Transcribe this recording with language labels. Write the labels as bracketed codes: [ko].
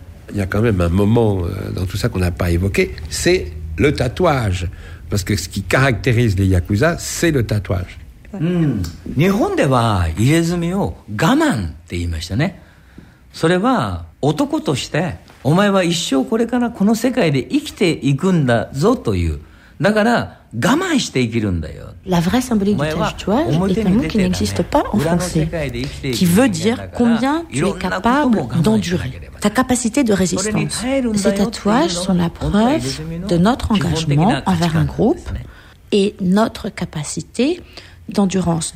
[fr] Il y a quand même un moment dans tout ça qu'on n'a pas évoqué, c'est le tatouage. Parce que ce qui caractérise les yakuza, c'est le tatouage. En Japon, il y a eu le gamane, c'est un homme. [ja] お前は一生これからこの世界で生きていくんだぞという。だから我慢して生きるんだよ。 [fr] La vraie symbolique du tatouage est un mot qui n'existe pas en français, qui veut dire combien tu es capable d'endurer, ta capacité de résistance. Ces tatouages sont la preuve de notre engagement envers un groupe et notre capacité d'endurance.